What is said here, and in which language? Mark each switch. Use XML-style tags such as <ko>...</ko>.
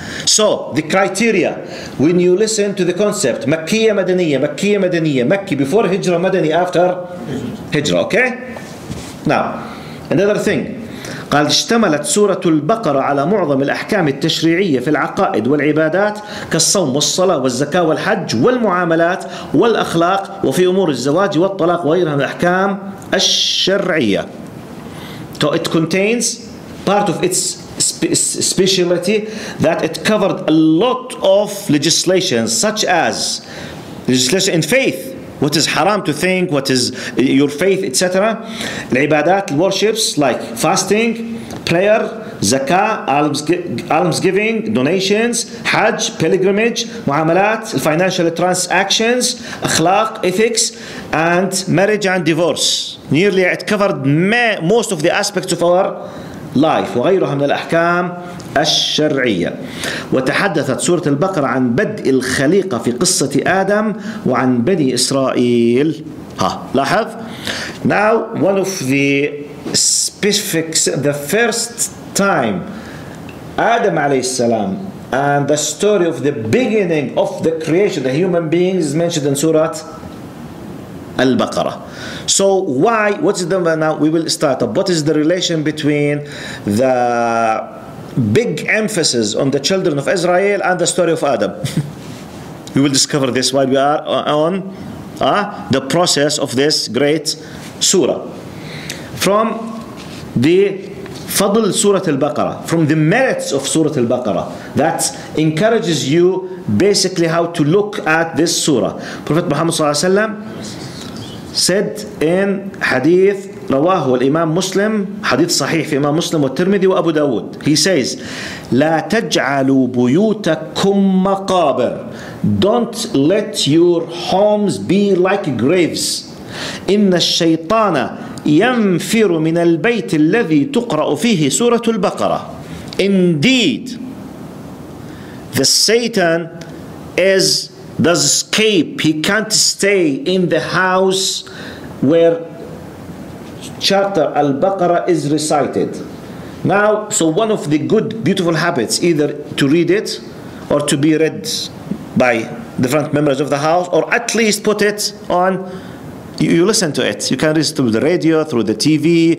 <en>So the criteria when you listen to the concept مكية مدنية, مكية مدنية, مكي before هجرة, مدني after هجرة. Okay. Now another thing.</en> <ar>قال اشتملت سورة البقرة على معظم الأحكام التشريعية في العقائد والعبادات كالصوم والصلاة والزكاة والحج والمعاملات والأخلاق وفي أمور الزواج والطلاق وغيرها من الأحكام الشرعية.</ar> <en>So it contains part of its speciality that it covered a lot of legislation such as legislation in faith. What is haram to think, what is your faith, etc. Ibadat, worships, like fasting, prayer, zakah, almsgiving, donations, hajj, pilgrimage, muamalat, financial transactions, akhlaq, ethics, and marriage and divorce. Nearly it covered most of the aspects of our life.</en> <ar>وغيرها من الأحكام الشرعية. وتحدثت سورة البقرة عن بدء الخليقة في قصة آدم وعن بني إسرائيل. ها لاحظ.</ar> <en>Now one of the specifics, the first time Adam عليه السلام and the story of the beginning of the creation, the human beings, is mentioned in سورة البقرة. So why, what's the, now we will start up, what is the relation between the big emphasis on the children of Israel and the story of Adam? We will discover this while we are on the process of this great surah. From the Fadl Surah Al-Baqarah, from the merits of Surah Al-Baqarah, that encourages you basically how to look at this surah. Prophet Muhammad Sallallahu Alaihi Wasallam said in hadith</en> <ar>رواه الإمام مسلم, حديث صحيح في إمام مسلم والترمذي وأبو داود.</ar> <en>He says</en> <ar>لا تجعلوا بيوتكم مقابر.</ar> <en>Don't let your homes be like graves.</en> <ar>إن الشيطان ينفر من البيت الذي تقرأ فيه سورة البقرة.</ar> <en>Indeed the Satan is does escape, he can't stay in the house where chapter Al-Baqarah is recited. Now, so one of the good, beautiful habits, either to read it or to be read by different members of the house, or at least put it on, you listen to it. You can listen to the radio, through the TV.</en>